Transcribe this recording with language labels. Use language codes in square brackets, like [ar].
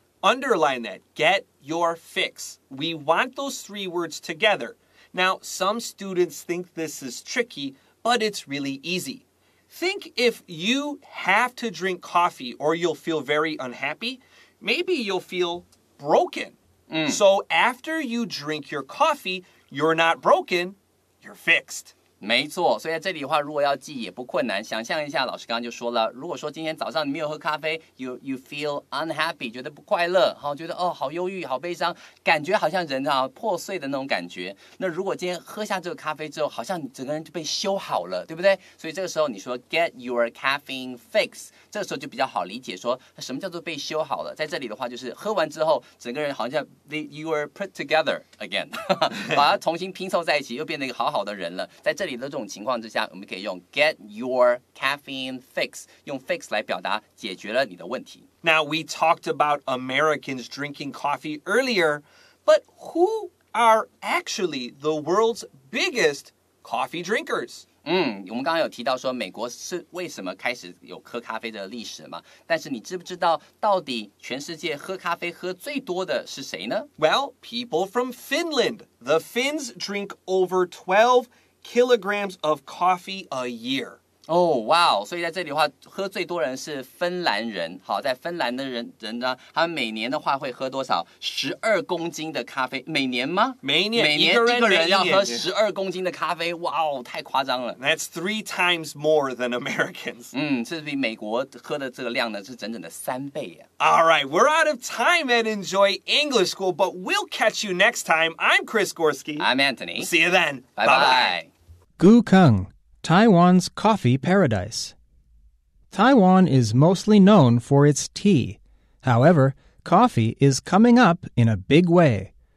[en] Underline that get your fix We want those three words together Now some students think this is tricky but it's really easy Think if you have to drink coffee or you'll feel very unhappy Maybe you'll feel brokenSo after you drink your coffee, you're not broken, you're fixed. [zh] 没错，所以在这里的话，如果要记也不困难。想象一下，老师刚刚就说了，如果说今天早上你没有喝咖啡 ， [en] you feel unhappy， [zh] 觉得不快乐，哈，觉得哦好忧郁、好悲伤，感觉好像人啊破碎的那种感觉。那如果今天喝下这个咖啡之后，好像你整个人就被修好了，对不对？所以这个时候你说 [en] get your caffeine fix， [zh] 这个时候就比较好理解说，说什么叫做被修好了。在这里的话，就是喝完之后，整个人好像 [en] you are put together again， [zh] 把它重新拼凑在一起，又变成一个好好的人了。在这里。这种情况之下我们可以用 [en] get your caffeine fix [zh] 用 fix 来表达解决了你的问题 [en] Now we talked about Americans drinking coffee earlier but who are actually the world's biggest coffee drinkers? [zh] 我们刚刚有提到说美国是为什么开始有喝咖啡的历史吗但是你知不知道到底全世界喝咖啡喝最多的是谁呢 [en] Well, people from Finland The Finns drink over 12 kilograms of coffee a year. Oh, wow. [zh] 所以在这里的话喝最多人是芬兰人。好在芬兰的 人呢他每年的话会喝多少12公斤的咖啡。每年吗每年要喝12公斤的咖啡。Wow, 太夸张了。 [en] That's three times more than Americans. [zh] 这比美国喝的这个量呢是整整的三倍啊。 [en] All right, we're out of time and enjoy English school, but we'll catch you next time. I'm Chris Gorski. I'm Anthony. See you then. Bye-bye. Gukeng, Taiwan's coffee paradise. Taiwan is mostly known for its tea. However, coffee is coming up in a big way.